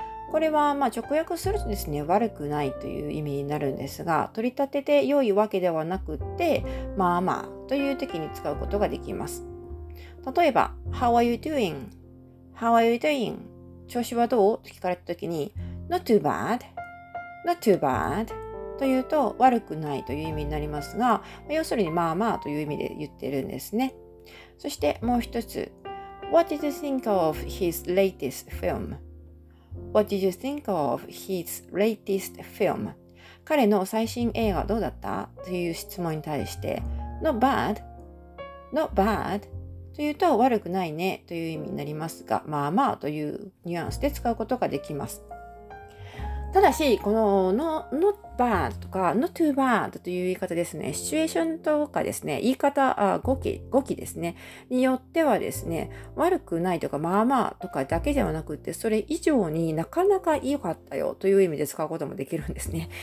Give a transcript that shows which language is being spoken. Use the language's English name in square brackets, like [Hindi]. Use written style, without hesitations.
[Japanese] これはまあ直訳するとですね、悪くないという意味になるんですが、取り立てて良いわけではなくって、まあまあという時に使うことができます。例えば、 [English] How are you doing? How are you doing? [Japanese] 調子はどう? と聞かれた時に、 [English] Not too bad. Not too bad. [Japanese] というと悪くないという意味になりますが、要するにまあまあという意味で言ってるんですね。そしてもう一つ、 [English] What did you think of his latest film? What did you think of his latest film? [Japanese] 彼の最新映画どうだった? という質問に対して [English] Not bad. Not bad. [Japanese] というと悪くないねという意味になりますが、まあまあというニュアンスで使うことができます。ただし、この [English] Not bad [Japanese] とか [English] Not too bad [Japanese] という言い方ですね、シチュエーションとかですね、言い方、語気ですね、によってはですね、悪くないとかまあまあとかだけではなくって、それ以上になかなか良かったよという意味で使うこともできるんですね。